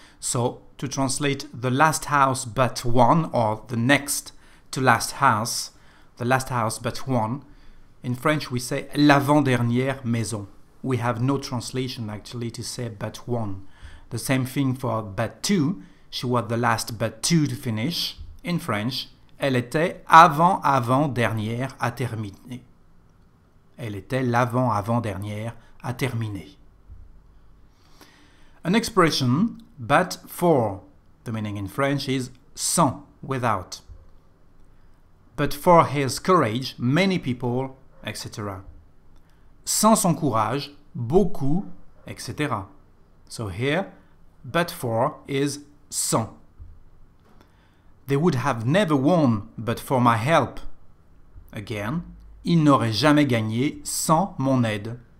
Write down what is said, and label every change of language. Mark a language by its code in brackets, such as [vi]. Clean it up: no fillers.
[en] So to translate the last house but one, or the next to last house, the last house but one, in French we say [fr] l'avant-dernière maison. [en] We have no translation actually to say but one. The same thing for but two. She was the last but two to finish. In French, [fr] elle était avant-avant-dernière à terminer. Elle était l'avant-avant-dernière à terminer. [en] An expression, but for. The meaning in French is sans, without. But for his courage, many people, etc. [fr] Sans son courage, beaucoup, etc. [en] So here, but for is sans. They would have never won but for my help. Again, [fr] ils n'auraient jamais gagné sans mon aide.